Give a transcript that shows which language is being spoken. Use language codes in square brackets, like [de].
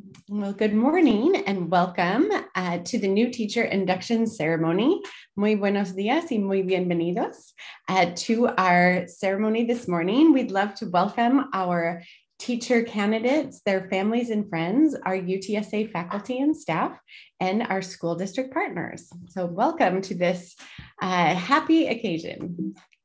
[en] Well, good morning and welcome to the new teacher induction ceremony. [es] Muy buenos días y muy bienvenidos [en] to our ceremony this morning. We'd love to welcome our teacher candidates, their families and friends, our UTSA faculty and staff, and our school district partners. So welcome to this happy occasion.